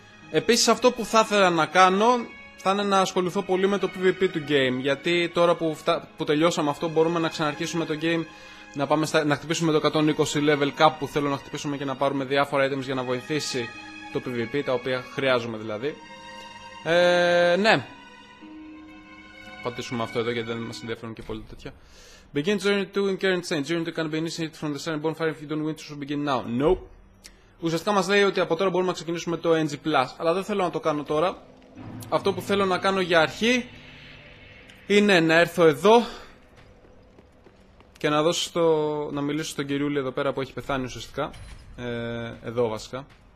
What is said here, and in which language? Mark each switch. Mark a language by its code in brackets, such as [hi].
[el] Επίσης αυτό που θα ήθελα να κάνω θα είναι να ασχοληθώ πολύ με το PvP του game, γιατί τώρα που τελειώσαμε αυτό μπορούμε να ξαναρχίσουμε το game, να χτυπήσουμε το 120 level cap που θέλω να χτυπήσουμε και να πάρουμε διάφορα items για να βοηθήσει το PvP, τα οποία χρειάζομαι δηλαδή. Ναι. Πατήσουμε αυτό εδώ γιατί δεν μας ενδιαφέρουν και πολύ τέτοια. [en] Begin journey 2 in current state. Journey 2 can be initiated from the same bonfire if you don't win, so begin now. Nope. [el] Ουσιαστικά μας λέει ότι από τώρα μπορούμε να ξεκινήσουμε το NG+, αλλά δεν θέλω να το κάνω τώρα. Αυτό που θέλω να κάνω για αρχή είναι να έρθω εδώ και να δώσω να μιλήσω στον κυριούλη εδώ πέρα που έχει πεθάνει ουσιαστικά. Εδώ βασικά.